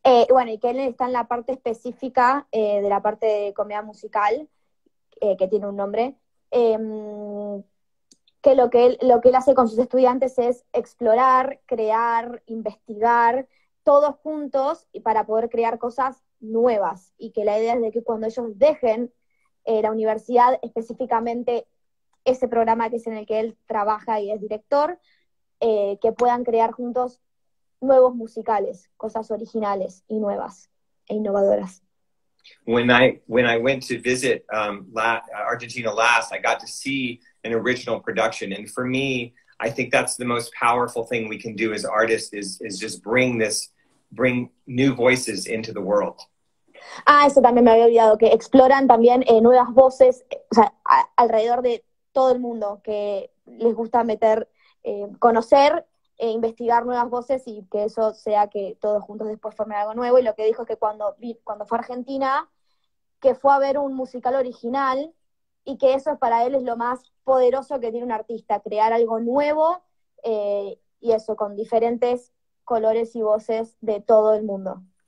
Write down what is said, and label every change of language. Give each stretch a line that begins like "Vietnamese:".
Spanish: Bueno, y que él está en la parte específica de la parte de comedia musical, que tiene un nombre, que lo que él hace con sus estudiantes es explorar, crear, investigar, todos juntos, y para poder crear cosas nuevas, y que la idea es de que cuando ellos dejen la universidad, específicamente ese programa que es en el que él trabaja y es director, que puedan crear juntos nuevos musicales, cosas originales y nuevas e innovadoras.
English: When I went to visit Argentina last, I got to see an original production, and for me, I think that's the most powerful thing we can do as artists is just bring new voices into the world.
Spanish: Ah, eso también me había olvidado, que exploran también nuevas voces, o sea, alrededor de todo el mundo, que les gusta meter conocer e investigar nuevas voces y que eso sea que todos juntos después formen algo nuevo. Y lo que dijo es que cuando fue a Argentina, que fue a ver un musical original y que eso para él es lo más poderoso que tiene un artista, crear algo nuevo y eso con diferentes colores y voces de todo el mundo.